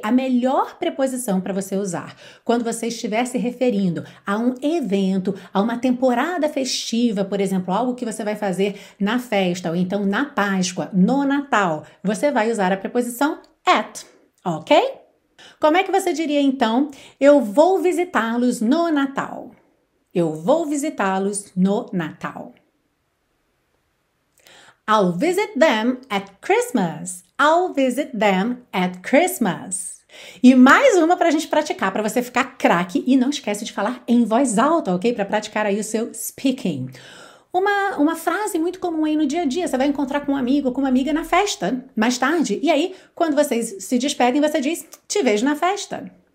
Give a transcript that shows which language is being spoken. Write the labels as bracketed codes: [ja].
[pt] A melhor preposição para você usar quando você estiver se referindo a um evento, a uma temporada festiva, por exemplo, algo que você vai fazer na festa, ou então na Páscoa, no Natal, você vai usar a preposição at, ok? Como é que você diria, então, eu vou visitá-los no Natal? Eu vou visitá-los no Natal. [en] I'll visit them at Christmas. I'll visit them at Christmas. [pt] E mais uma pra gente praticar, pra você ficar craque, e não esquece de falar em voz alta, ok? Pra praticar aí o seu speaking. Uma frase muito comum aí no dia a dia, você vai encontrar com um amigo ou com uma amiga na festa, mais tarde, e aí, quando vocês se despedem, você diz, te vejo na festa.